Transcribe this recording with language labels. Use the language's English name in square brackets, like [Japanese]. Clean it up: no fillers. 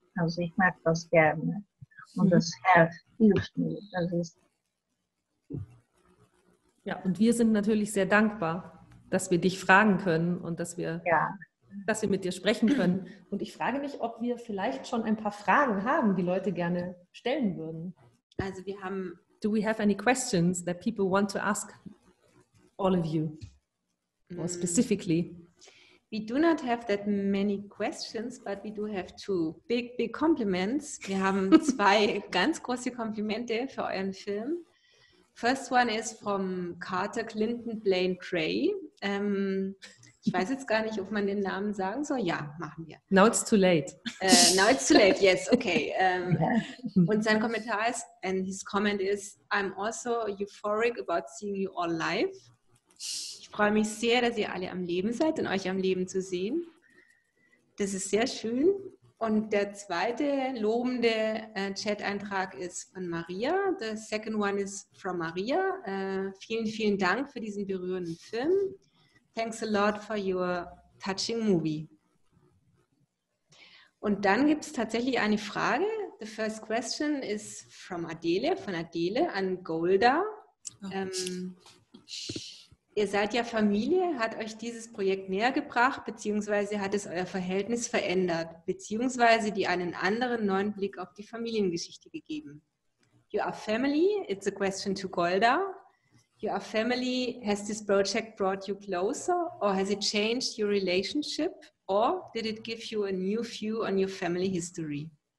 [German] Also ich mag das gerne. Und das hilft mir. Das ist ja, und wir sind natürlich sehr dankbar, dass wir dich fragen können und dass wir mit dir sprechen können. Und ich frage mich, ob wir vielleicht schon ein paar Fragen haben, die Leute gerne stellen würden. Also wir haben... [English] Do we have any questions that people want to ask all of you? Or specifically? We do not have that many questions, but we do have two big, big compliments. [German] Wir haben zwei ganz große Komplimente für euren Film. [English] First one is from Carter Clinton Blaine Gray. [German] Ich weiß jetzt gar nicht, ob man den Namen sagen soll. Ja, machen wir. [English] Now it's too late. Now it's too late, yes, okay. [German] Und sein Kommentar ist, [English] and his comment is, I'm also euphoric about seeing you all live. [German] Ich freue mich sehr, dass ihr alle am Leben seid und euch am Leben zu sehen. Das ist sehr schön. Und der zweite lobende Chat-Eintrag ist von Maria. [English] The second one is from Maria. [German] Vielen, vielen Dank für diesen berührenden Film. [English] Thanks a lot for your touching movie. [German] Und dann gibt es tatsächlich eine Frage. [English] The first question is from Adele, [German] von Adele an Golda. Oh. Ihr seid ja Familie, hat euch dieses Projekt näher gebracht, beziehungsweise hat es euer Verhältnis verändert, beziehungsweise die einen anderen neuen Blick auf die Familiengeschichte gegeben? [English] You are family, it's a question to Golda. Your family, has this project brought you closer or has it changed your relationship or did it give you a new view on your family history?